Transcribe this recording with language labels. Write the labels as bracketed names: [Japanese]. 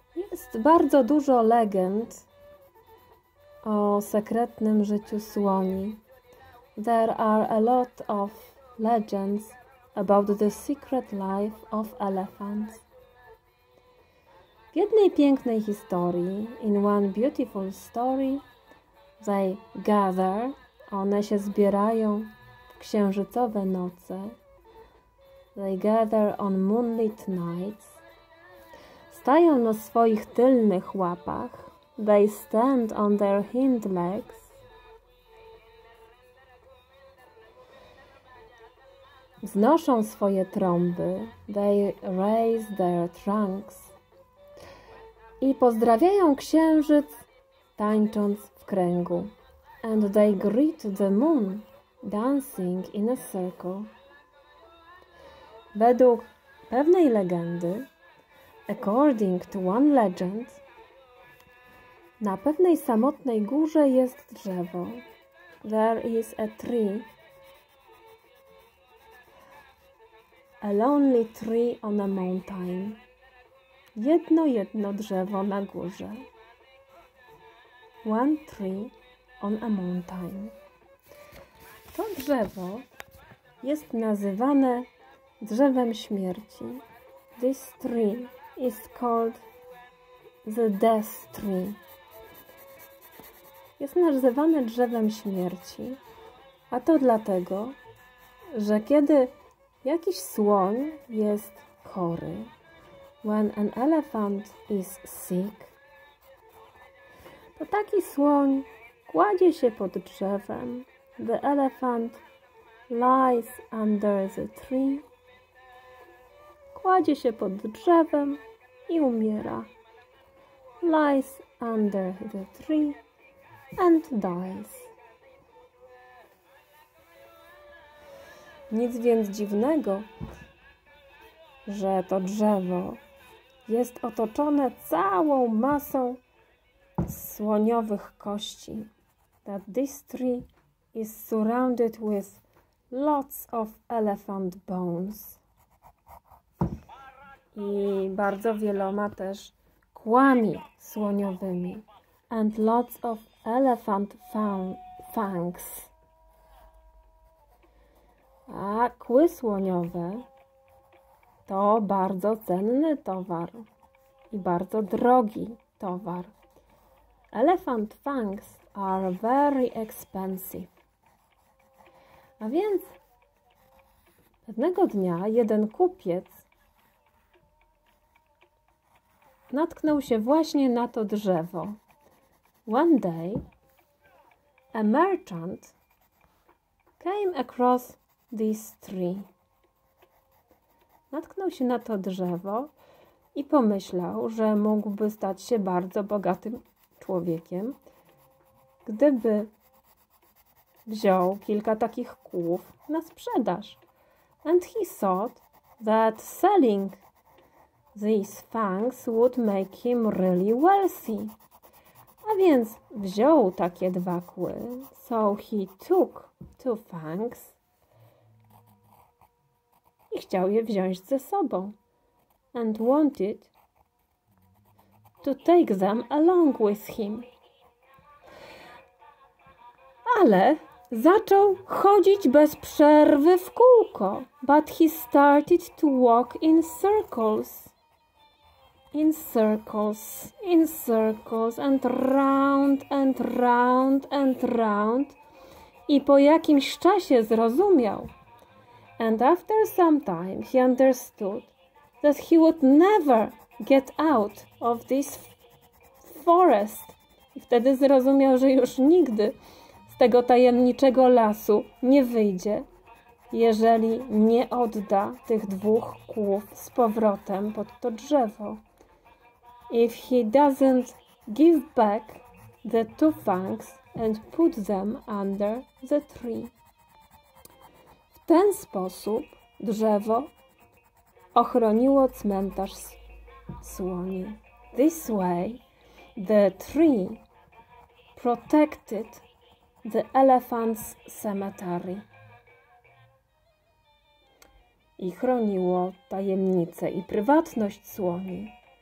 [Polish] Jest bardzo dużo legend o sekretnym życiu słoni. [English] There are a lot of legends about the secret life of elephants. [Polish] W jednej pięknej historii, [English] in one beautiful story, they gather, one [Polish] się zbierają w księżycowe noce. [English] They gather on moonlit nights. [Polish] Stają na swoich tylnych łapach. [English] They stand on their hind legs. [Polish] Wznoszą swoje trąby. [English] They raise their trunks. [Polish] I pozdrawiają księżyc, tańcząc w kręgu. [English] And they greet the moon, dancing in a circle. [Polish] Według pewnej legendy, [English] according to one legend, [Polish] na pewnej samotnej górze jest drzewo. [English] There is a tree. A lonely tree on a mountain. [Polish] Jedno drzewo na górze. [English] One tree on a mountain. [Polish] To drzewo jest nazywane drzewem śmierci. [English] This tree is called the death tree. [Polish] Jest nazywane drzewem śmierci, a to dlatego, że kiedy jakiś słoń jest chory, [English] when an elephant is sick, [Polish] to taki słoń kładzie się pod drzewem. [English] The elephant lies under the tree. [Polish] Kładzie się pod drzewem i umiera. [English] Lies under the tree and dies. [Polish] Nic więc dziwnego, że to drzewo jest otoczone całą masą słoniowych kości. [English] That this tree is surrounded with lots of elephant bones. [Polish] I bardzo wieloma też kłami słoniowymi. [English] And lots of elephant fangs. [Polish] A kły słoniowe to bardzo cenny towar i bardzo drogi towar. [English] Elephant fangs are very expensive. [Polish] A więc pewnego dnia jeden kupiec natknął się właśnie na to drzewo. [English] One day a merchant came across this tree. [Polish] Natknął się na to drzewo i pomyślał, że mógłby stać się bardzo bogatym człowiekiem, gdyby wziął kilka takich kłów na sprzedaż. [English] And he thought that selling these fangs would make him really wealthy. [Polish] A więc wziął takie dwa kły. [English] So he took two fangs. [Polish] I chciał je wziąć ze sobą. [English] And wanted to take them along with him. [Polish] Ale zaczął chodzić bez przerwy w kółko. [English] But he started to walk in circles. In circles, in circles, and round, and round, and round. [Polish] I po jakimś czasie zrozumiał. [English] And after some time he understood that he would never get out of this forest. [Polish] I wtedy zrozumiał, że już nigdy z tego tajemniczego lasu nie wyjdzie, jeżeli nie odda tych dwóch kłów z powrotem pod to drzewo. [English] If he doesn't give back the two fangs and put them under the tree. [Polish] W ten sposób drzewo ochroniło cmentarz słoni. [English] This way, the tree protected the elephant's cemetery. [Polish] I chroniło tajemnice i prywatność słoni.